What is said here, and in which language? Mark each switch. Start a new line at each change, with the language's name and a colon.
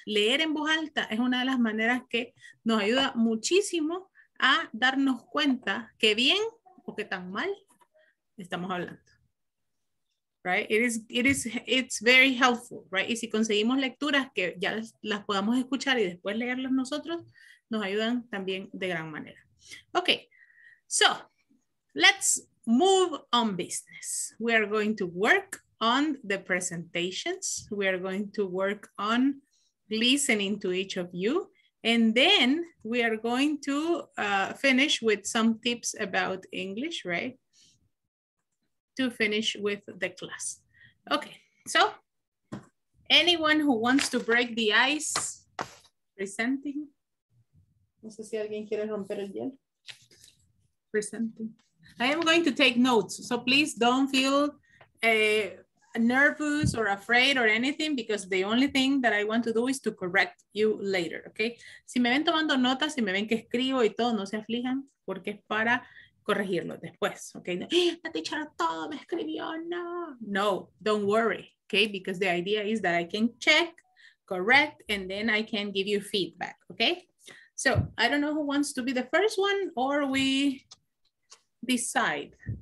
Spanish: Leer en voz alta es una de las maneras que nos ayuda muchísimo a darnos cuenta qué bien o qué tan mal estamos hablando.
English: Right, it's very helpful, right?
Spanish: Y si conseguimos lecturas que ya las podamos escuchar y después leerlas nosotros, nos ayudan también de gran manera.
English: Okay, so let's move on business. We are going to work on the presentations. We are going to work on listening to each of you. And then we are going to finish with some tips about English, right? To finish with the class. Okay, so anyone who wants to break the ice, presenting.
Spanish: No sé si alguien quiere romper el hielo.
English: Presenting. I am going to take notes, so please don't feel nervous or afraid or anything, because the only thing that I want to do is to correct you later, okay?
Spanish: Si me ven tomando notas, si me ven que escribo y todo, no se aflijan, porque es para corregirlo después, okay? La teacher todo me escribió, no. No,
English: don't worry, okay? Because the idea is that I can check, correct, and then I can give you feedback, okay? So, I don't know who wants to be the first one, or we decide.